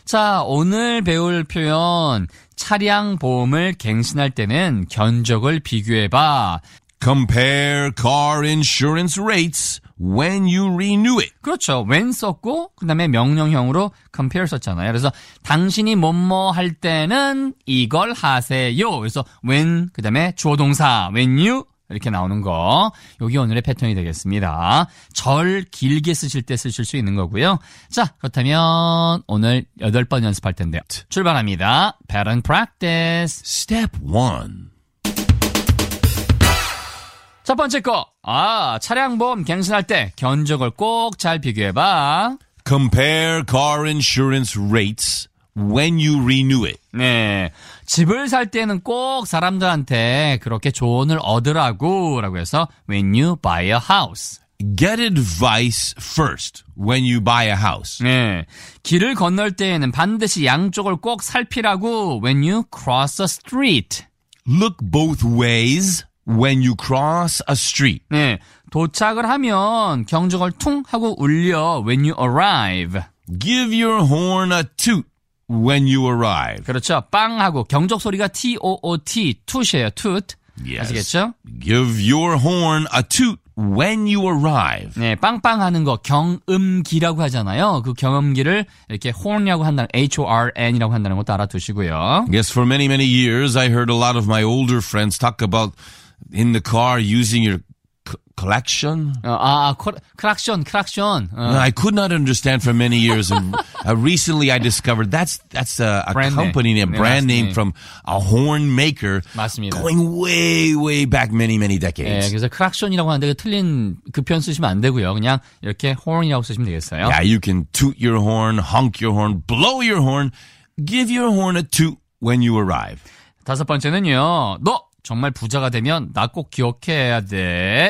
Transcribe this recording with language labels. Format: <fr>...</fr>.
<ko>자, 오늘 배울 표현 차량 보험을 갱신할 때는 견적을 비교해봐.</ko> <en>Compare car insurance rates when you renew it.</en> <ko>그렇죠. When 썼고 그 다음에 명령형으로 compare 썼잖아요. 그래서 당신이 뭐뭐 할 때는 이걸 하세요. 그래서 when 그 다음에 주어동사 when you 이렇게 나오는 거. 여기 오늘의 패턴이 되겠습니다. 절 길게 쓰실 때 쓰실 수 있는 거고요. 자, 그렇다면 오늘 8번 연습할 텐데 출발합니다.</ko> <en>Pattern practice. Step 1.</en> <ko>첫 번째 거. 아, 차량 보험 갱신할 때 견적을 꼭 잘 비교해 봐.</ko> <en>Compare car insurance rates when you renew it.</en> <ko>네. 집을 살 때는 꼭 사람들한테 그렇게 조언을 얻으라고 해서</ko> <en>when you buy a house. Get advice first when you buy a house.</en> <ko>네. 길을 건널 때에는 반드시 양쪽을 꼭 살피라고</ko> <en>when you cross a street. Look both ways when you cross a street.</en> <ko>네. 도착을 하면 경적을 퉁 하고 울려</ko> <en>when you arrive. Give your horn a toot when you arrive.</en> <ko>그렇죠. 빵 하고 경적 소리가 T-O-O-T, toot이에요, toot.</ko> <en>Yes.</en> <ko>아시겠죠?</ko> <en>Give your horn a toot when you arrive.</en> <ko>네, 빵빵 하는 거 경음기라고 하잖아요. 그 경음기를 이렇게 horn이라고 한다는, H-O-R-N이라고 한다는 것도 알아두시고요.</ko> <en>Yes, for many, many years, I heard a lot of my older friends talk about in the car using your collection? Collection. I could not understand for many years. And recently I discovered that's a brand name from a horn maker.</en> <ko>맞습니다.</ko> <en>Going way, way back many, many decades.</en> <ko>예, 그래서 크락션이라고 하는데 틀린 그 표현 쓰시면 안 되고요. 그냥 이렇게 horn이라고 쓰시면 되겠어요.</ko> <en>Yeah, you can toot your horn, honk your horn, blow your horn, give your horn a toot when you arrive.</en> <ko>다섯 번째는요. 너! 정말 부자가 되면 나 꼭 기억해야 돼.</ko>